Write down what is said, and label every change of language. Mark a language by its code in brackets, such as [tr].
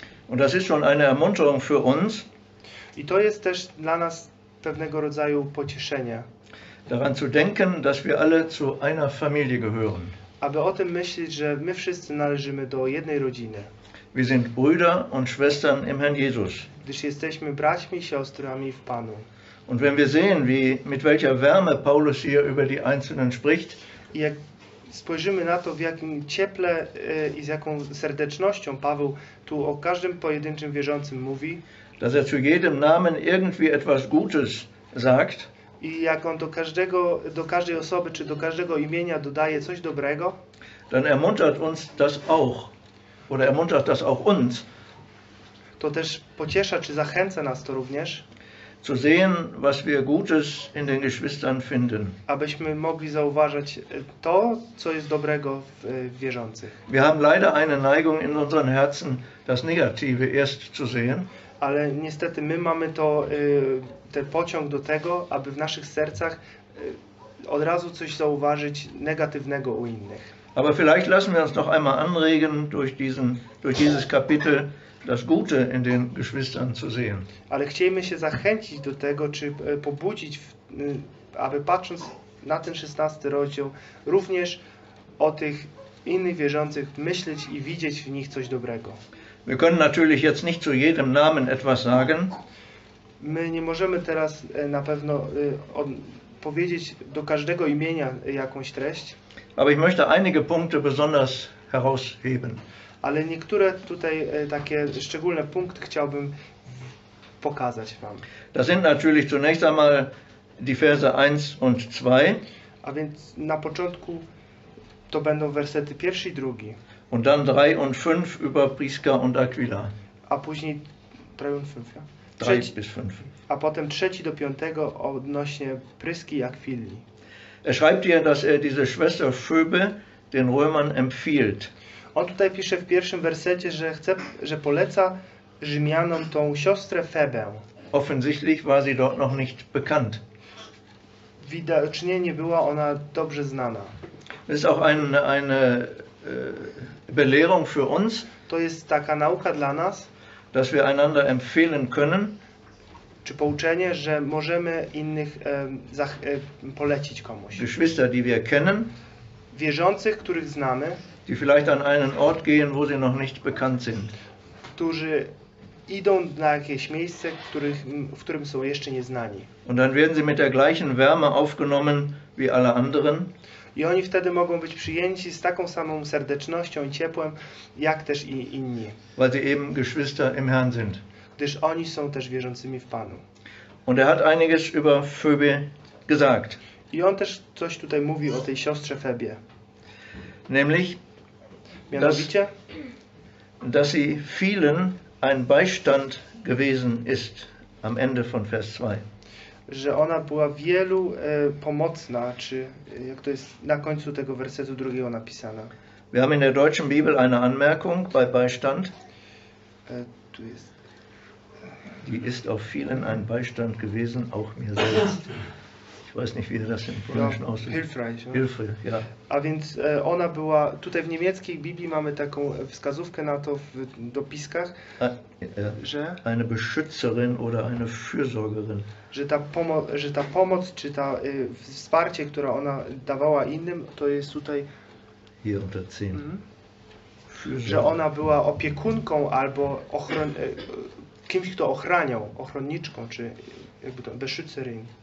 [de] Und das ist schon eine Ermunterung für uns. [pl] I to jest też dla nas pewnego rodzaju pocieszenie. [de] Daran zu denken, dass wir alle zu einer Familie gehören. [pl] Aby o tym myśleć, że my wszyscy należymy do jednej rodziny. [de] Wir sind Brüder und Schwestern im Herrn Jesus. [pl] Gdyż jesteśmy braćmi i siostrami w Panu. [de] Und wenn wir sehen, wie mit welcher Wärme Paulus hier über die Einzelnen spricht. [pl] I jak spojrzymy na to, w jakim cieple i z jaką serdecznością Paweł tu o każdym pojedynczym wierzącym mówi. [de] Dass er zu jedem Namen irgendwie etwas Gutes sagt. [pl] I jak on do każdej osoby czy do każdego imienia dodaje coś dobrego. [de] Dann ermuntert uns das auch. Oder ermuntert das auch uns. [pl] To też pociesza czy zachęca nas to również. [de] Zu sehen, was wir Gutes in den Geschwistern finden. [pl] Abyśmy mogli zauważyć to, co jest dobrego w wierzących. [de] Wir haben leider eine Neigung in unseren Herzen, das Negative erst zu sehen. [pl] Ale niestety my mamy to ten pociąg do tego, aby w naszych sercach od razu coś zauważyć negatywnego u innych. [de] Aber vielleicht lassen wir uns noch einmal anregen durch dieses Kapitel das Gute in den Geschwistern zu sehen. [pl] Ale chcielibyśmy się zachęcić do tego, czy pobudzić, aby patrząc na ten 16 rozdział również o tych innych wierzących myśleć i widzieć w nich coś dobrego. [de] Wir können natürlich jetzt nicht zu jedem Namen etwas sagen. [pl] My nie możemy teraz na pewno powiedzieć do każdego imienia jakąś treść. [de] Aber ich möchte einige Punkte besonders herausheben. [pl] Ale niektóre tutaj takie szczególne punkty chciałbym pokazać wam. [de] Das sind natürlich zunächst einmal die Verse 1 und 2. [pl] A więc na początku to będą wersety 1 i 2. [de] Und dann 3 und 5 über Priska und Aquila. [pl] A później 3 [de] und 5, ja? [pl] 3 trzeci, bis 5. A potem 3 do 5 odnośnie Pryski i Aquili. [de] Er schreibt hier, dass er diese Schwester Phoebe den Römern empfiehlt. [pl] On tutaj pisze w pierwszym wersecie, że chce, że poleca Rzymianom tą siostrę Febę. [de] Offensichtlich war sie dort noch nicht bekannt. [pl] Widocznie nie była ona dobrze znana. [de] Das ist auch eine Belehrung für uns. [pl] To jest taka nauka dla nas, [de] dass wir einander empfehlen können. [pl] Czy pouczenie, że możemy innych polecić komuś. [de] Geschwister, die wir kennen. [pl] Wierzących, których znamy. [de] Die vielleicht an einen Ort gehen, wo sie noch nicht bekannt sind. [pl] Którzy idą na jakieś miejsce, w którym są jeszcze nieznani. [de] Und dann werden sie mit der gleichen Wärme aufgenommen wie alle anderen. [pl] I oni wtedy mogą być przyjęci z taką samą serdecznością i ciepłem, jak też i inni. [de] Weil sie eben Geschwister im Herrn sind. [pl] Gdyż oni są też wierzącymi w Panu. [de] Und er hat einiges über Phoebe gesagt. [pl] I on też coś tutaj mówi o tej siostrze Febie. [de] Nämlich, [pl] mianowicie, [de] dass sie vielen ein Beistand gewesen ist am Ende von Vers 2. [pl] Że ona była wielu pomocna, czy jak to jest na końcu tego wersetu drugiego napisana. [de] Wir haben in der deutschen Bibel eine Anmerkung bei Beistand. [pl] Tu jest. [de] Die ist auf vielen ein Beistand gewesen, auch mir selbst. Ich weiß nicht, wie das im Polnischen aussieht. Hilfreich. Ja. Hilfe, ja. [pl] A więc ona była, tutaj w niemieckiej Biblii mamy taką wskazówkę na to w dopiskach, że... [de] Eine Beschützerin oder eine Fürsorgerin. [pl] Że ta pomoc, czy ta wsparcie, które ona dawała innym, to jest tutaj... [de] Hier unter 10. Mhm. [pl] Że ona była opiekunką albo kimś, kto ochraniał, ochronniczką, czy jakby to, Beschützerin.